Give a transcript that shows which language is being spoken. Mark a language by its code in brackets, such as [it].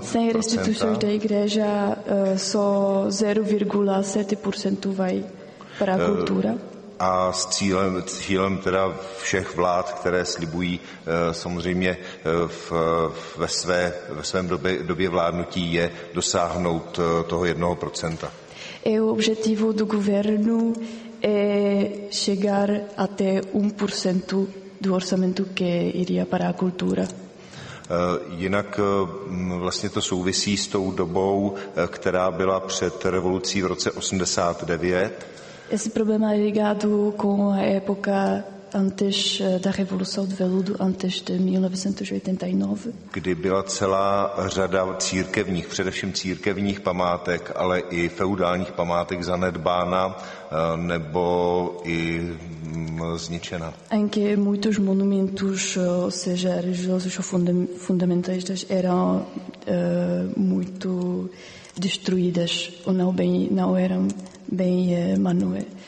[pt] Sem restitucións da igreja só 0,7% vai para a cultura. [cs] A s cílem teda všech vlád, které slibují samozřejmě ve své době vládnutí, je dosáhnout toho 1%. [pt] E o objetivo do governo é chegar até 1% do orçamento que iria para a cultura. [cs] Jinak vlastně to souvisí s tou dobou, která byla před revolucí v roce 89. [pt] Esse problema é ligado com a época antes da Revolução de Veludo, antes de 1989. [cs] Kdy byla celá řada církevních, především církevních památek, ale i feudálních památek zanedbána nebo i zničena. [pt] Em que muitos monumentos, ou seja, religiosos ou fundamentalistas, eram muito destruídas, ou não, bem, não eram bem manuais.